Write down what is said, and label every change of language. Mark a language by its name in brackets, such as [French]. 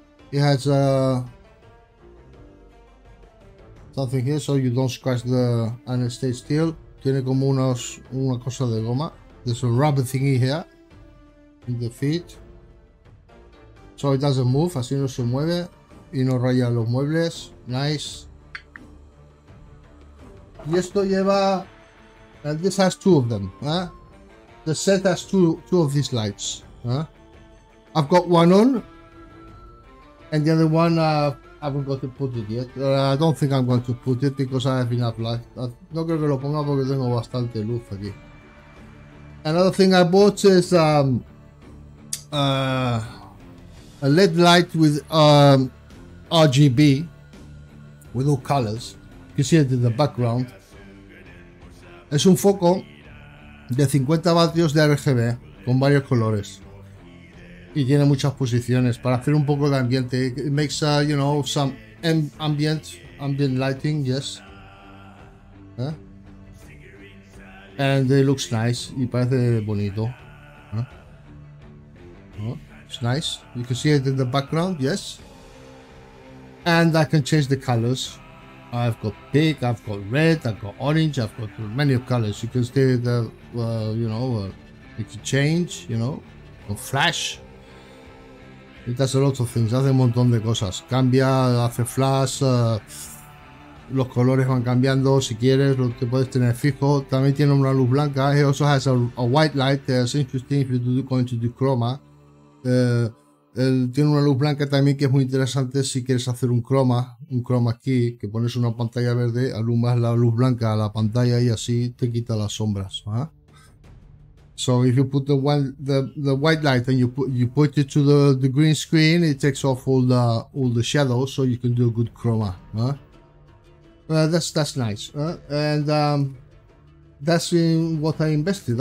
[English] It has something here so you don't scratch the anesthetic steel. [Spanish] Tiene como unos, una cosa de goma. [English] There's a rubber thingy here in the feet. So it doesn't move, [Spanish] así no se mueve y no raya los muebles. [English] Nice. [Spanish] Y esto lleva. [English] And this has two of them, huh? The set has two of these lights, huh? I've got one on, and the other one I haven't got to put it yet. I don't think I'm going to put it because I have enough light. [Spanish] No creo que lo ponga porque tengo bastante luz aquí. [English] Another thing I bought is a LED light with RGB, with all colors. You can see it in the background. [Spanish] Es un foco de 50 vatios de RGB con varios colores y tiene muchas posiciones para hacer un poco de ambiente. [English] It makes you know, some ambient lighting, yes. ¿Eh? And it looks nice [Spanish] y parece bonito. [English] ¿Eh? It's nice. You can see it in the background, yes. And I can change the colors. I've got pink, I've got red, I've got orange, I've got many colors. You can see the, you know, it can change, you know, or flash. It does a lot of things, [Spanish] hace un montón de cosas. Cambia, hace flash, los colores van cambiando, si quieres, lo te puedes tener fijo. También tiene una luz blanca. [English] It also has a white light, that's interesting if you're going to do chroma. [Spanish] Tiene una luz blanca también que es muy interesante si quieres hacer un chroma key, que pones una pantalla verde, alumbras la luz blanca a la pantalla y así te quita las sombras. ¿Eh? [English] So if you put the white light and you put it to the green screen, it takes off all the shadows, so you can do a good chroma. ¿Eh? That's nice. ¿Eh? And that's in what I invested.